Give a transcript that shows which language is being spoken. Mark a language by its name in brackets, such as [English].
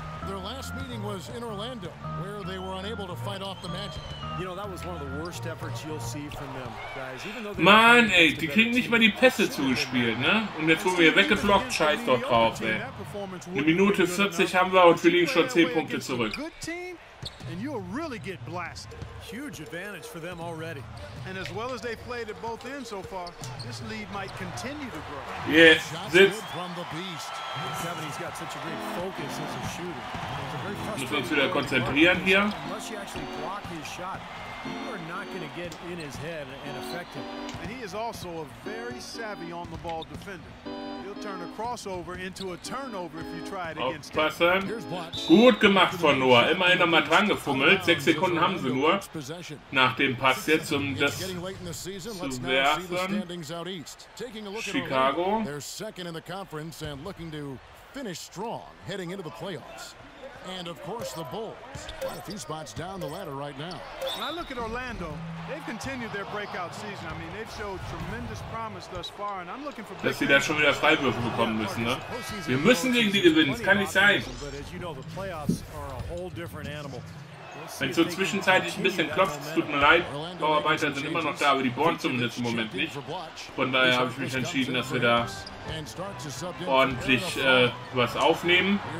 [English] Their last meeting was in Orlando, where they were unable to fight off the Magic. You know, that was one of the worst efforts you'll see from them, guys. Even though [German] Mann, ey, die kriegen nicht mal die Pässe zugespielt, ne? Und jetzt wurden wir weggeflockt, scheiß doch drauf, ey. Eine Minute 40 haben wir und wir liegen schon 10 Punkte zurück. [English] And you'll really get blasted. Huge advantage for them already. And as well as they played at both ends so far, this lead might continue to grow. Yes, this. From the Beast. Kevin, he's got such a great focus as a shooter. [German] Müssen wir uns wieder konzentrieren hier. [English] Unless you actually block his shot, you are not going to get in his head and affect him. And he is also a very savvy on the ball defender. He'll turn a crossover into a turnover if you try it against him. [German] Gut gemacht von Noah. Immerhin nochmal dran gefummelt. 6 Sekunden haben sie nur nach dem Pass jetzt, um das zu werfen. [English] Chicago. They're second in the conference and looking to finish strong heading into the playoffs. And of course the Bulls, a few spots down the ladder right now. When I look at Orlando, they've continued their breakout season. I mean, they've showed tremendous promise thus far, and I'm looking for. [German] Dass sie da schon wieder Freiwürfe bekommen müssen, ne? Wir müssen gegen sie gewinnen. Es kann nicht sein. [English] But as you know, the playoffs are a whole different animal. [German] Wenn so zwischenzeitlich ein bisschen klopft, tut mir leid. Bauarbeiter sind immer noch da, aber die bohren zumindest im Moment nicht. Von daher habe ich mich entschieden, dass wir da ordentlich was aufnehmen.